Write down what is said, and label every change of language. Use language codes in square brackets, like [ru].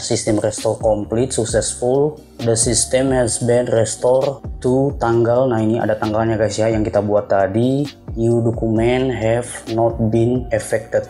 [en] System restore complete, successful. The system has been restored to tanggal. [id] Nah, ini ada tanggalnya, guys, ya, yang kita buat tadi. [en] New document have not been affected.